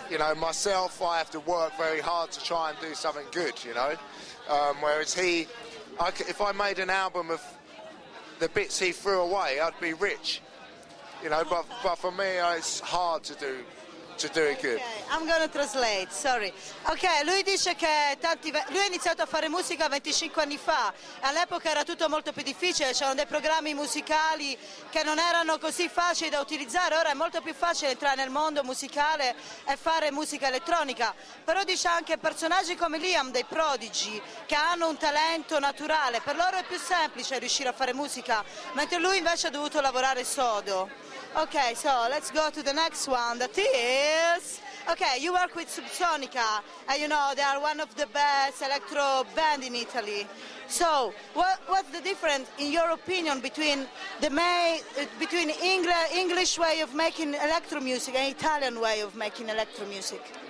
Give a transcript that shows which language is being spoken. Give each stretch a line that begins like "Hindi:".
English: You know, myself, I have to work very hard to try and do something good, you know. Whereas if I made an album of the bits he threw away, I'd be rich, you know. But for me, it's hard to do it good. Okay, I'm gonna translate, sorry.
Italian: Okay, lui dice che lui ha iniziato a fare musica 25 anni fa, all'epoca era tutto molto più difficile, c'erano dei programmi musicali che non erano così facili da utilizzare, ora è molto più facile entrare nel mondo musicale e fare musica elettronica. Però dice anche personaggi come Liam dei Prodigy, che hanno un talento naturale, per loro è più semplice riuscire a fare musica, mentre lui invece ha dovuto lavorare sodo.
English: Okay, so let's go to the next one. That is, okay, you work with Subsonica, and you know they are one of the best electro band in Italy. So, what's the difference, in your opinion, between English way of making electro music and Italian way of making electro music?